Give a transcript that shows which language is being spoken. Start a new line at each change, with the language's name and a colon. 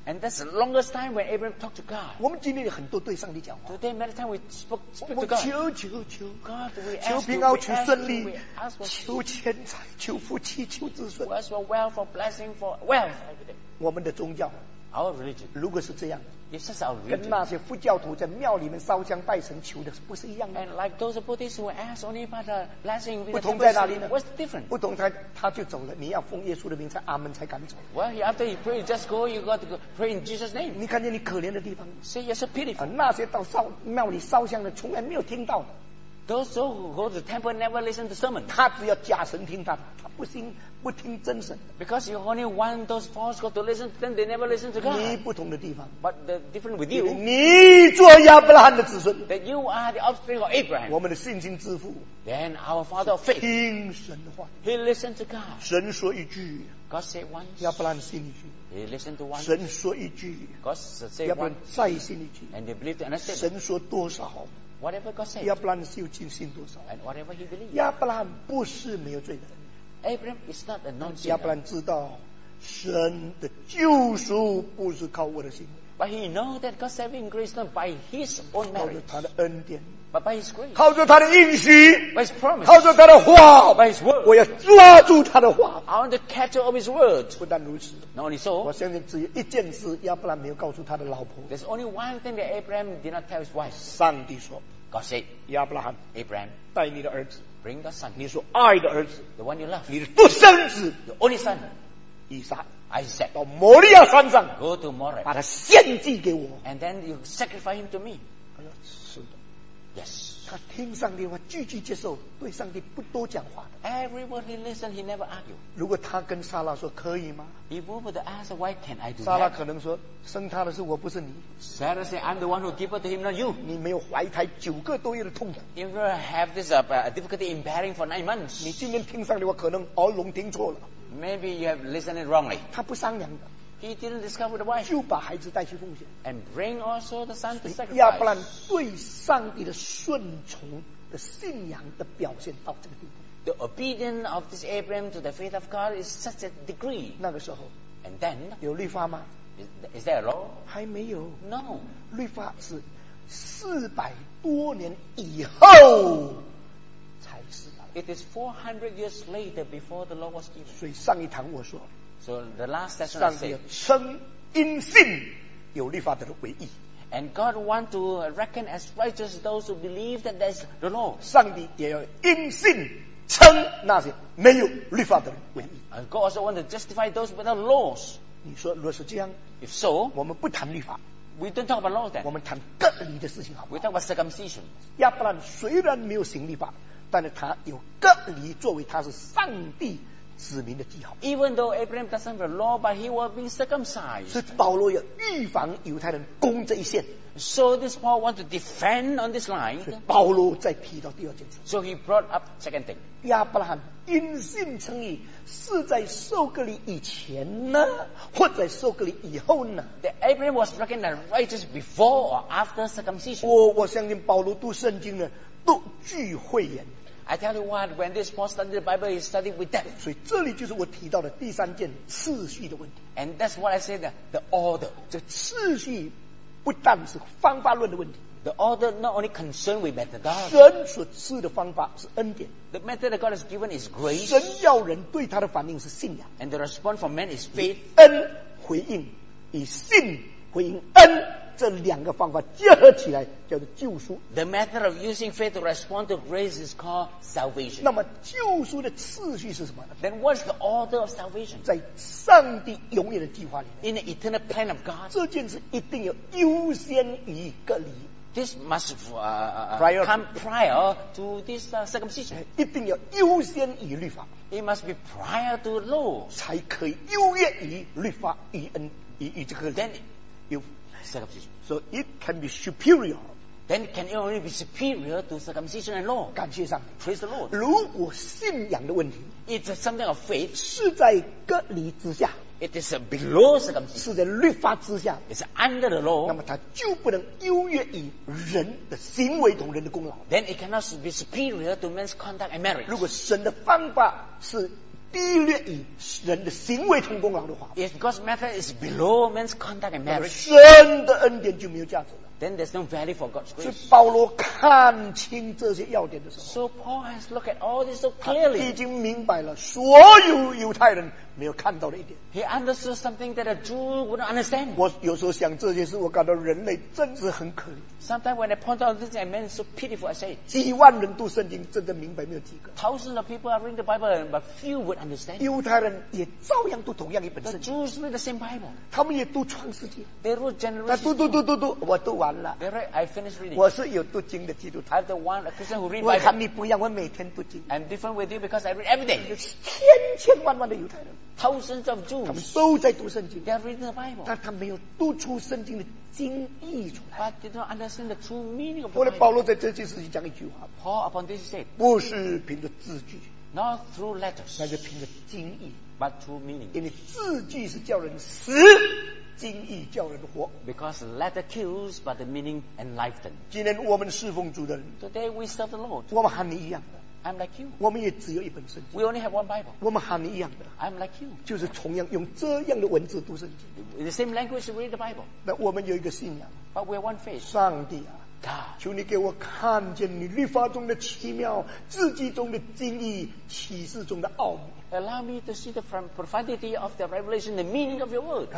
English: And that's the longest time when Abraham talked to God.
Chinese: 我们今天有很多对上帝讲话。
English: Today many times we spoke to God.
Chinese: 我们求
English: God, we ask
Chinese: 求平安
English: we
Chinese: 求顺利求钱财求福气求子孙。
English: We ask for wealth, for blessing, for wealth.
Chinese: 我们的宗教。
English: Our religion.
Chinese: 如果是这样。
English: It's just our religion.
Chinese: 跟那些佛教徒在庙里面烧香拜神求的不是一样的。
English: And like those Buddhists who ask only for the blessing,
Chinese: 不同在哪里呢
English: ？What's the difference?
Chinese: 不同他就走了。你要奉耶稣的名才阿门才敢走。
English: Well, after you pray, just go. You got to go pray in Jesus' name.
Chinese: 你看见你可怜的地方
English: ？See, it's a pitiful.
Chinese: 那些到庙里烧香的从来没有听到的。
English: Those who go to the temple never listen to sermon.
Chinese: 他只要假神听他的，他不信不听真神。
English: Because you only want those false gods to listen, then they never listen to God.
Chinese: 你不同的地方。
English: But the different with you.
Chinese: 你做亚伯拉罕的子孙。
English: That you are the offspring of Abraham.
Chinese: 我们的信心之父。
English: Then our father of faith.
Chinese: 听神的话。
English: He listened to God.
Chinese: 神说一句。
English: God said once.
Chinese: 亚伯兰信一句。
English: He listened to one.
Chinese: 神说一句。
English: God said once.
Chinese: 亚伯兰再信一句。
English: And they believed and understood.
Chinese: 神说多少。
English: Whatever God said,
Chinese: 亚伯兰是有尽心多少
English: ？And whatever he believed,
Chinese: 亚伯兰不是没有罪的。
English: Abraham is not a non-sinner.
Chinese: 亚伯兰知道神的救赎不是靠我的行为。
English: But he know that God's saving grace not by his own merit.
Chinese: 靠着他的恩典
English: ，but by his grace.
Chinese: 靠着他的应许
English: ，by his promise.
Chinese: 靠着他的话
English: ，by his word.
Chinese: 我要抓住他的话
English: ，I want to catch all of his words.
Chinese: 不但如此
English: ，not only so.
Chinese: 我相信只有一件事，亚伯兰没有告诉他的老婆。
English: There's only one thing that Abraham did not tell his wife.
Chinese: 上帝说
English: ，God said,
Chinese: 亚伯拉罕
English: ，Abraham,
Chinese: 带你的儿子
English: ，bring the son.
Chinese: 你说爱的儿子
English: ，the one you love.
Chinese: 你的独生子
English: ，the only son,
Chinese: 以撒。
English: I said,
Chinese: 到摩利亚山上
English: go to Moriah,
Chinese: 把他献祭给我
English: and then you sacrifice him to me.
Chinese: 他说是的
English: yes.
Chinese: 他听上帝的话句句接受对上帝不多讲话的
English: every word he listened he never argued.
Chinese: 如果他跟莎拉说可以吗
English: he would ask why can I do
Chinese: that 莎拉可能说生他的是我不是你
English: Sarah said I'm the one who gave it to him not you
Chinese: 你没有怀胎九个多月的痛苦
English: if you have this difficulty in bearing for 9 months
Chinese: 你今天听上帝的话可能聋听错了
English: Maybe you have listened it wrongly.
Chinese: 他不商量的。
English: He didn't discover the wife.
Chinese: 就把孩子带去奉献。
English: And bring also the son to sacrifice.
Chinese: 亚伯兰对上帝的顺从的信仰的表现到这个地步。
English: the obedience of this Abraham to the faith of God is such a degree.
Chinese: 那个时候
English: and then
Chinese: 有律法吗？
English: Is there a law?
Chinese: 还没有。
English: No.
Chinese: 律法是400多年以后才是的。
English: It is 400 years later before the law was given.
Chinese: 所以上一堂我说
English: So the last session I said
Chinese: 上帝称因信有律法的为义。
English: And God wants to reckon as righteous those who believe that there's the law.
Chinese: 上帝也要因信称那些没有律法的为义。
English: And God also wants to justify those without laws.
Chinese: 你说如果是这样
English: ，If so，
Chinese: 我们不谈律法。
English: We don't talk about laws then.
Chinese: 我们谈隔离的事情好不好
English: ？We talk about circumcision.
Chinese: 亚伯兰虽然没有行律法，但是他有隔离作为他是上帝。
English: Even though Abraham doesn't have a law, but he was being circumcised.
Chinese: 是保罗要预防犹太人攻这一线。
English: So this Paul wants to defend on this line.
Chinese: 所以保罗再提到第二件事。
English: So he brought up second thing.
Chinese: 亚伯兰因信称义，是在受割礼以前呢，或在受割礼以后呢
English: ？That Abraham was reckoned as righteous before or after circumcision.
Chinese: 我相信保罗读圣经呢，都具慧眼。
English: I tell you what, when this Paul studied the Bible, he studied with depth.
Chinese: 所以这里就是我提到的第三件次序的问题。
English: And that's what I said, the order.
Chinese: 这次序不但是方法论的问题。
English: The order not only concerned with methodology.
Chinese: 神所赐的方法是恩典。
English: The method that God has given is grace.
Chinese: 神要人对他的反应是信仰。
English: And the response from man is faith.
Chinese: 以恩回应，以信回应恩。这两个方法结合起来叫做救赎。
English: The method of using faith to respond to grace is called salvation.
Chinese: 那么救赎的次序是什么呢
English: ？Then what's the order of salvation?
Chinese: 在上帝永远的计划里面。
English: In the eternal plan of God.
Chinese: 这件事一定要优先于隔离。
English: This must prior. come prior to this circumcision.
Chinese: 一定要优先于律法。
English: It must be prior to the law.
Chinese: 才可以优越于律法与恩与这个。
English: Then you. So it can be superior. Then can it only be superior to circumcision and law?
Chinese: 感谢上帝
English: Praise the Lord.
Chinese: 如果信仰的问题
English: It's something of faith.
Chinese: 是在隔离之下
English: It is below circumcision.
Chinese: 是在律法之下
English: It's under the law.
Chinese: 那么它就不能优越于人的行为同人的功劳
English: Then it cannot be superior to man's conduct and merit.
Chinese: 如果神的方法是低劣于人的行为同功劳的话
English: If God's method is below man's conduct and merit
Chinese: 神的恩典就没有价值了
English: Then there's no value for God's grace
Chinese: 所以保罗看清这些要点的时候
English: So Paul has looked at all this so clearly
Chinese: 他已经明白了所有犹太人没有看到的一点
English: He understood something that a Jew wouldn't understand
Chinese: 我有时候想这些事我感到人类真是很可怜
English: Sometimes when I point out this man is so pitiful I say
Chinese: 几万人读圣经真的明白没有几个
English: Thousands of people are reading the Bible but few would understand
Chinese: 犹太人也照样读同样一本圣经
English: The Jews read the same Bible
Chinese: 他们也读创世纪
English: They read Genesis
Chinese: 读我读完了
English: They read, I finished reading
Chinese: 我是有读经的基督徒
English: I'm the one a Christian who read Bible
Chinese: 我和你不一样我每天读经
English: I'm different with you because I read every day
Chinese: 千千万万的犹太人
English: Thousands of Jews.
Chinese: 他们都在读圣经
English: They are reading the Bible.
Chinese: 但他没有读出圣经的经义出来
English: But they don't understand the true meaning of the Bible.
Chinese: 保罗在这件事情讲一句话
English: Paul upon this said
Chinese: 不是凭着字句
English: Not through letters.
Chinese: 那是凭着经义
English: But true meaning.
Chinese: 因为字句是叫人死经义叫人活
English: Because letter kills but the meaning enlighten.
Chinese: 今天我们侍奉主的人
English: Today we serve the Lord.
Chinese: 我们和你一样的
English: I'm like you.
Chinese: 我们也只有一本圣经。
English: We only have one Bible.
Chinese: 我们和你一样的。
English: I'm like you.
Chinese: 就是同样用这样的文字读圣经。
English: In the same language read the Bible.
Chinese: 那我们有一个信仰。
English: But we have one faith.
Chinese: 上帝啊
English: ，God，
Chinese: 求你给我看见你律法中的奇妙，字句中的精义，启示中的奥秘。
English: Allow me to see the profundity of the revelation, the meaning of your words.